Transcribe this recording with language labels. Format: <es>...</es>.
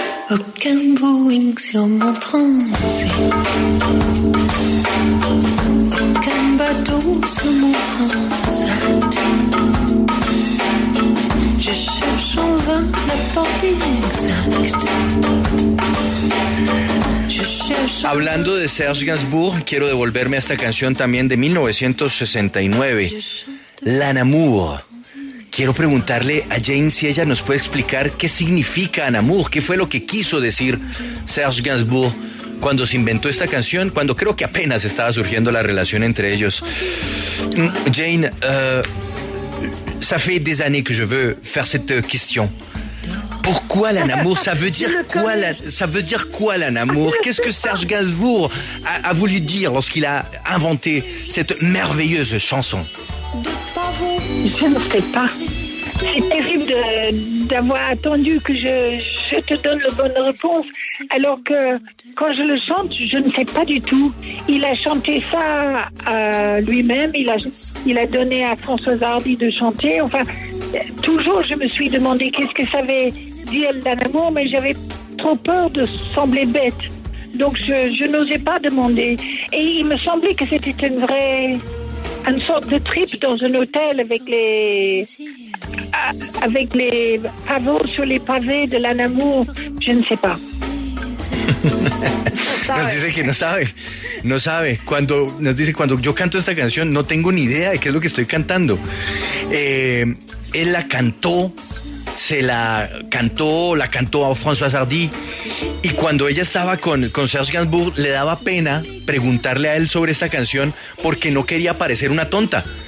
<fr>Aucun Boeing sur mon transit, aucun bateau sur mon transat. Je cherche en vain la porte exacte.</fr> <es>Hablando de Serge Gainsbourg, quiero devolverme a esta canción también de 1969, L'Anamour. Quiero preguntarle a Jane si ella nos puede explicar qué significa L'Anamour, qué fue lo que quiso decir Serge Gainsbourg cuando se inventó esta canción, cuando creo que apenas estaba surgiendo la relación entre ellos. Jane,</es> <fr>ça fait des années que je veux faire cette question. Pourquoi l'amour, ça veut dire quoi, ça veut dire quoi l'amour? Qu'est-ce que Serge Gainsbourg a voulu dire lorsqu'il a inventé cette merveilleuse chanson? Je ne sais pas. C'est terrible d'avoir attendu que je te donne la bonne réponse, alors que quand je le chante, je ne sais pas du tout. Il a chanté ça lui-même, il a donné à Françoise Hardy de chanter. Enfin, toujours je me suis demandé qu'est-ce que ça avait dit l'amour, mais j'avais trop peur de sembler bête. Donc je n'osais pas demander. Et il me semblait que c'était une vraie... une sorte de trip dans un hôtel avec les pavots sur les pavés de l'amour, je ne sais pas.</fr> <es>Nos dice que no sabe. Cuando, nos dice, cuando yo canto esta canción, no tengo ni idea de qué es lo que estoy cantando. Él la cantó, la cantó a Françoise Hardy, y cuando ella estaba con Serge Gainsbourg, le daba pena preguntarle a él sobre esta canción porque no quería parecer una tonta.</es>